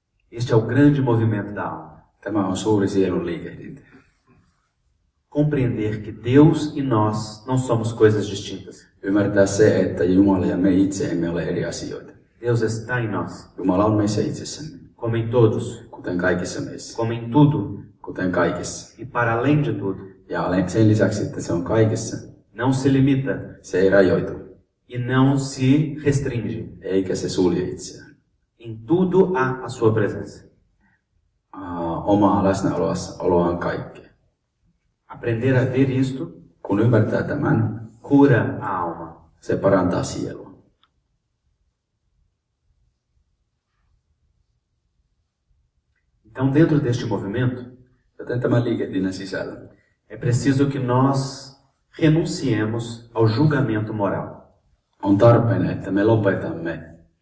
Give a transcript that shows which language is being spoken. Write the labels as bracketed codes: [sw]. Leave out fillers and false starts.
[pt] Este é o grande movimento da alma. [fi] Tämä on suuri sielun liikehdintä. [pt] Compreender que Deus e nós não somos coisas distintas. [fi] Ymmärtää se, että Jumala ja me itse emme ole eri asioita. [pt] Deus está em nós. [fi] Jumala on meissä itsessämme. [pt] Como em todos. [fi] Kuten kaikissa meissä. [pt] Como em tudo. [fi] Kuten kaikessa. [pt] E para além de tudo. [fi] Ja sen lisäksi, että se on kaikessa. [pt] Não se limita. [fi] Se ei rajoitu. [pt] E não se restringe. [fi] Eikä se sulje itseään. [pt] Em tudo há a sua presença. [fi] Omaa läsnäoloaan kaikkeen. [pt] Aprender a ver isto. [fi] Kun ymmärtää tämän. [pt] Cura a alma. [fi] Se parantaa sielua. [pt] Então dentro deste movimento. [fi] Joten tämän liikehdinnän sisällä. [pt] É preciso que nós renunciemos ao julgamento moral. [fi] On tarpeen, että me lopetamme.